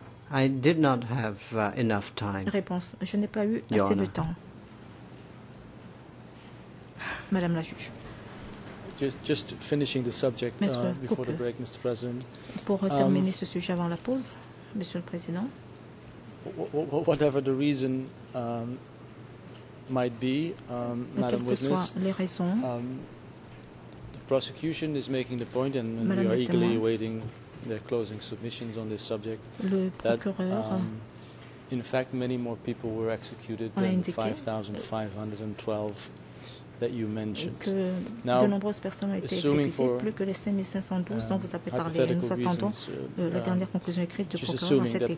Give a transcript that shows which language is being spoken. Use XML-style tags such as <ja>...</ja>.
<en>I did not have enough time.</en> <fr>Réponse, je n'ai pas eu assez de temps. Madame la juge.</fr> <en>Just finishing the subject before the break, Mr. President.</en> <fr>Pour terminer ce sujet avant la pause, Monsieur le Président.</fr> <en>Whatever the reason might be, Madam Witness, the prosecution is making the point, and</en> <fr>Madame</fr> <en>we are eagerly awaiting their closing submissions on this subject.</en> <fr>Le procureur.</fr> <en>In fact, many more people were executed than 5,512. That you mentioned.</en> <fr>Que now, de nombreuses personnes ont été exécutées, plus que les 5512 dont vous avez parlé. Nous attendons la dernière conclusion écrite du procureur à cet égard.</fr>